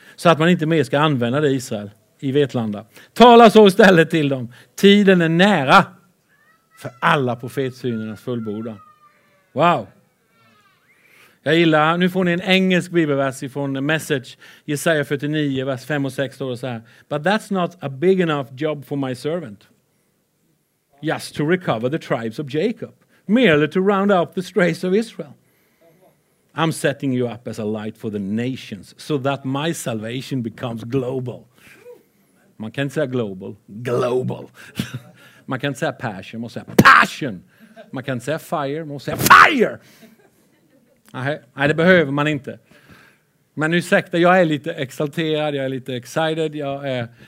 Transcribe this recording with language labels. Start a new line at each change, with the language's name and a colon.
Swedish: Så att man inte mer ska använda det i Israel. I Vetlanda. Tala så istället till dem. Tiden är nära. För alla profetsynernas fullbordan. Wow. Jag gillar. Nu får ni en engelsk bibelvers från Message. Jesaja 49, vers 5 och 6. Står det så här.
English: But that's not a big enough job for my servant. Just to recover the tribes of Jacob. Merely to round up the strays of Israel. I'm setting you up as a light for the nations. So that my salvation becomes global.
Swedish: Man kan inte säga global. Global. Man kan inte säga passion. Man måste säga passion. Man kan inte säga fire. Man måste säga fire. Nej, det behöver man inte. Men ursäkta, jag är lite exalterad. Jag är lite excited. Jag är